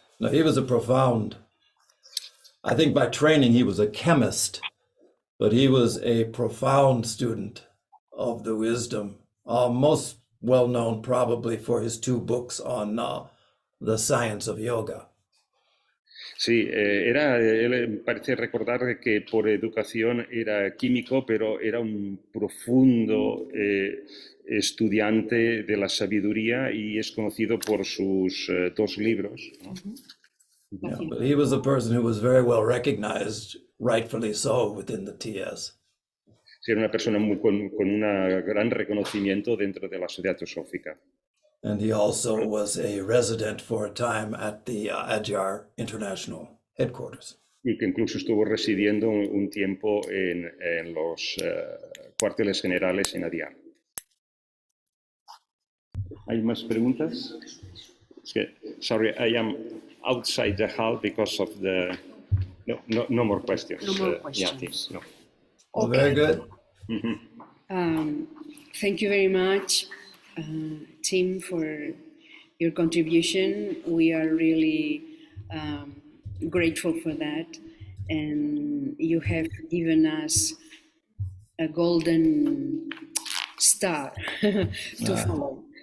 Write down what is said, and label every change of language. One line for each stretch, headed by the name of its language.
English: No, he was a profound, I think by training he was a chemist, but he was a profound student of the wisdom, most well known probably for his two books on the science of yoga.
Spanish: Sí, era, él parece recordar que por educación era químico, pero era un profundo estudiante de la sabiduría y es conocido por sus dos libros. Mm-hmm.
English: Yeah, but he was a person who was very well recognized, rightfully so, within the TS.
Spanish: Sí, era una persona muy, con un gran reconocimiento dentro de la Sociedad Teosófica.
English: And he also was a resident for a time at the Adyar International Headquarters.
Spanish: Y que incluso estuvo residiendo un tiempo en los cuarteles generales en Adyar. ¿Hay más preguntas?
English: Sorry, I am outside the hall because of the... No more questions. No more questions. Yeah, please, no. Okay. Very good. Thank you very much. Tim, for your contribution, we are really grateful for that, and you have given us a golden star to follow.